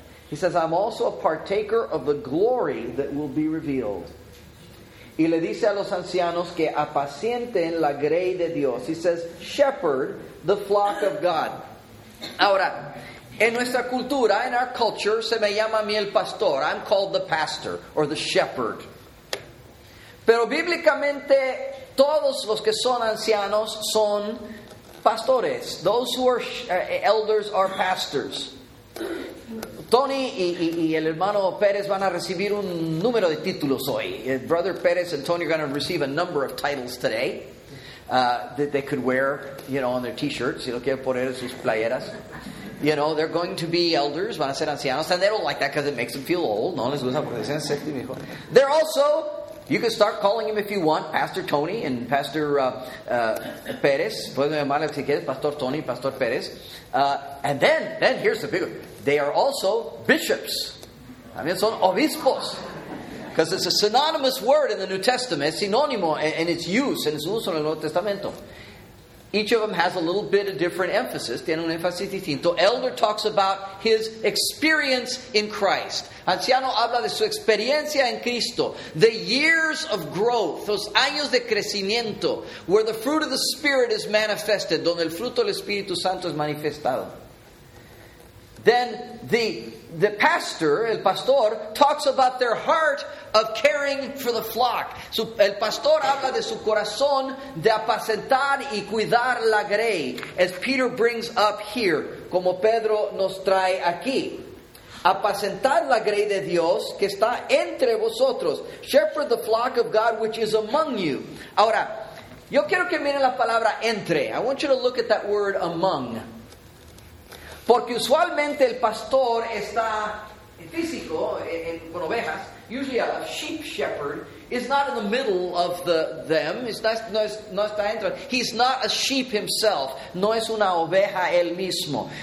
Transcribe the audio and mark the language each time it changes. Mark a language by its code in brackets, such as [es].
[en] He says, I'm also a partaker of the glory that will be revealed. [es] Y le dice a los ancianos que apacienten la grey de Dios. [en] He says, shepherd the flock of God. [es] Ahora, en nuestra cultura, [en] in our culture, [es] se me llama a mí el pastor. [en] I'm called the pastor or the shepherd. [es] Pero bíblicamente, todos los que son ancianos son pastores. [en] Those who are elders are pastors. [es] Tony y el hermano Pérez van a recibir un número de títulos hoy. [en] Brother Pérez and Tony are going to receive a number of titles today that they could wear, you know, on their t-shirts. [es] Si lo quieren poner en sus playeras. [en] You know, they're going to be elders, [es] van a ser ancianos. [en] And they don't like that because it makes them feel old. [es] No les gusta porque se sienten viejos. [en] They're also, you can start calling him if you want, Pastor Tony and Pastor Pérez. [es] Pueden llamarle si quieres, Pastor Tony, Pastor Pérez. [en] And then here's the big one. They are also bishops. [es] También son obispos. [en] Because it's a synonymous word in the New Testament. It's sinónimo in its use, [es] en su uso en el Nuevo Testamento. [en] Each of them has a little bit of different emphasis. [es] Tiene un énfasis distinto. [en] Elder talks about his experience in Christ. [es] Anciano habla de su experiencia en Cristo. [en] The years of growth, [es] los años de crecimiento, [en] where the fruit of the Spirit is manifested, [es] donde el fruto del Espíritu Santo es manifestado. [en] Then the pastor, [es] el pastor, [en] talks about their heart of caring for the flock. [es] So, el pastor habla de su corazón de apacentar y cuidar la grey, [en] as Peter brings up here, [es] como Pedro nos trae aquí. Apacentar la grey de Dios que está entre vosotros. [en] Shepherd the flock of God which is among you. [es] Ahora, yo quiero que miren la palabra entre. [en] I want you to look at that word among. [es] Porque usualmente el pastor está físico, con ovejas, [en] usually a sheep shepherd, is not in the middle of them, [es] no está dentro. [en] He's not a sheep himself, [es] no es una oveja él mismo.